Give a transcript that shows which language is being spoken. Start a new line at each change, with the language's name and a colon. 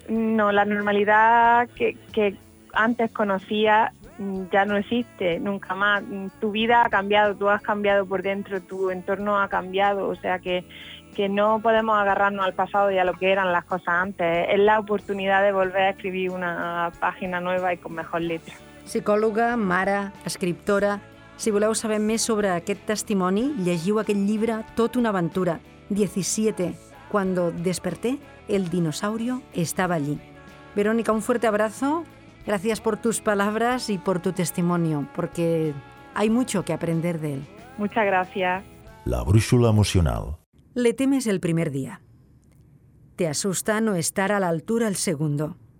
Spanish: No, la normalidad que antes conocía ya no existe nunca más. Tu vida ha cambiado, tú has cambiado por dentro, tu entorno ha cambiado, o sea que no podemos agarrarnos al pasado y a lo que eran las cosas antes. Es la oportunidad de volver a escribir una página nueva y con mejor letra.
Catalan: Psicòloga, mare, escriptora, si voleu saber més sobre aquest testimoni, llegiu aquest llibre Tot una aventura, 17, Cuando desperté, el dinosaurio estaba allí.
Spanish: Verónica, un fuerte abrazo. Gracias por tus palabras y por tu testimonio, porque hay mucho que aprender de él. Muchas gracias. La brújula emocional. Le temes el primer día. Te asusta no estar a la altura el segundo.